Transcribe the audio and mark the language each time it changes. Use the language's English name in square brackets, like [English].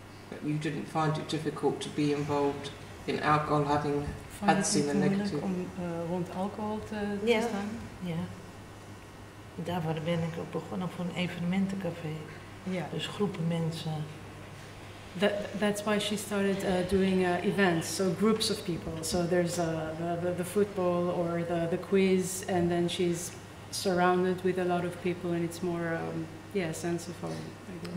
[English] But you didn't find it difficult to be involved in alcohol, having had seen the negative? [Dutch] Om rond alcohol te staan? Ja. Daar ben ik ook begonnen voor een evenementencafé. Ja. Dus groepen mensen. [English] That's why she started doing events, so groups of people. So there's the football or the quiz, and then she's surrounded with a lot of people, and it's more, sense of home, I guess.